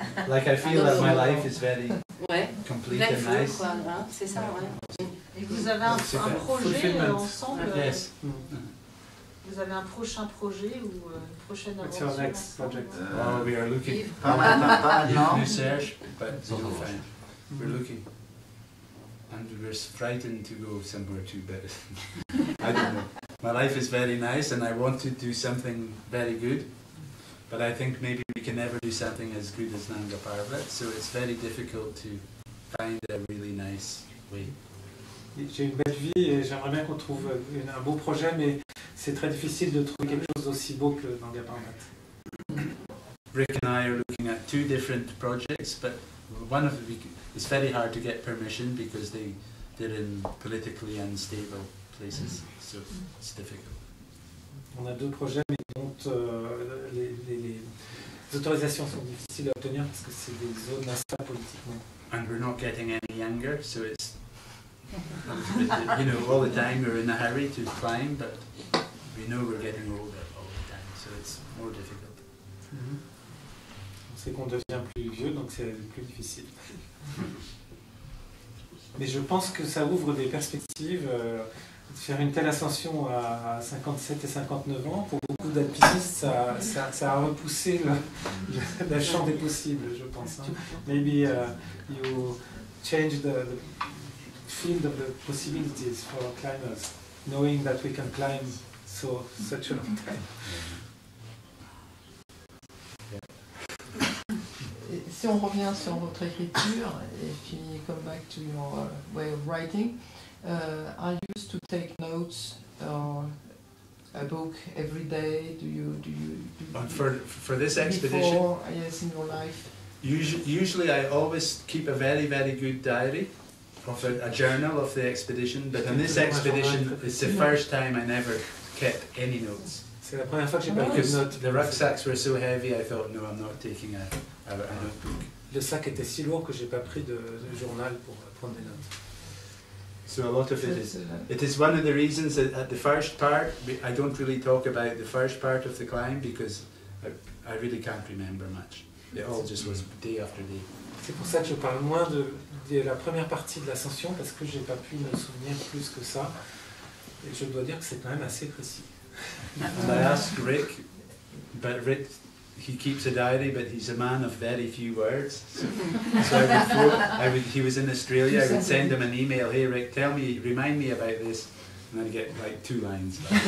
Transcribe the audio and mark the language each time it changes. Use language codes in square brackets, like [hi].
[en] Like I feel that my life is very complete and nice. [fr] Quoi, hein. C'est ça, ouais. Et vous avez un projet ensemble? [en] Yes. [fr] Vous avez un prochain projet ou une prochaine aventure? [en] What's your next project? We are looking. [fr] Pas mal, non. [en] New search, but it's on. We're looking. And we're frightened to go somewhere too bad. I don't know. My life is very nice and I want to do something very good. But I think maybe we can never do something as good as Nanga Parbat. So it's very difficult to find a really nice way. [fr] J'ai une belle vie et j'aimerais bien qu'on trouve un beau projet, mais c'est très difficile de trouver quelque chose d'aussi beau que dans Nanga Parbat. [en] Rick and I are looking at two different projects, but one of it's very hard to get permission because they're in politically unstable places, so it's difficult. [fr] On a deux projets, mais dont les autorisations sont difficiles à obtenir parce que c'est des zones instables politiquement. [en] And we're not getting any younger, so it's you know, all the time we're in a hurry to climb, but we know we're getting older all the time, so it's more difficult. [fr] On sait qu'on devient plus vieux, donc c'est plus difficile. Mais je pense que ça ouvre des perspectives. Faire une telle ascension à 57 et 59 ans, pour beaucoup d'alpinistes, ça a repoussé le champ des possibles, je pense. Hein. [en] Maybe you change the field of the possibilities for climbers, knowing that we can climb so such a long time. [fr] Si on revient sur votre écriture, et puis [en] come back to your way of writing, I used to take notes or a book every day. For this expedition? Before, yes, in your life. Usually, I always keep a very, very good diary. Of a journal of the expedition, but on this expedition, it's the first time I never kept any notes. Because the rucksacks were so heavy, I thought, no, I'm not taking a notebook. [fr] Le sac était si lourd que j'ai pas pris de journal pour prendre des notes. [en] So a lot of it is. It is one of the reasons that at the first part, I don't really talk about the first part of the climb because I really can't remember much. It all just was day after day. [fr] C'est pour ça que je parle moins de la première partie de l'ascension parce que j'ai pas pu me souvenir plus que ça. Et je dois dire que c'est quand même assez précis. [en] And I ask Rick, but Rick, he keeps a diary, but he's a man of very few words. So he was in Australia, I would send him an email, hey Rick, tell me, remind me about this, and then I get like two lines.